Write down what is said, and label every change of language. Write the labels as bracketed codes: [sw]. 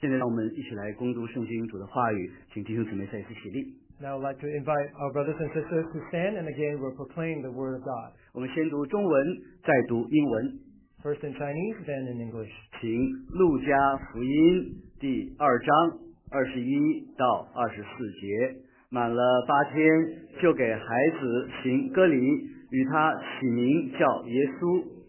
[zh] 现在让我们一起来攻读圣经主的话语，请弟兄姊妹再次起立。 [en] Now I'd like to invite our brothers and sisters to stand, and again we'll proclaim the word of God. [zh] 我们先读中文，再读英文。 [en] First in Chinese, then in English. [zh] 请《路加福音》第二章二十一到二十四节，满了八天，就给孩子行割礼，与他起名叫耶稣。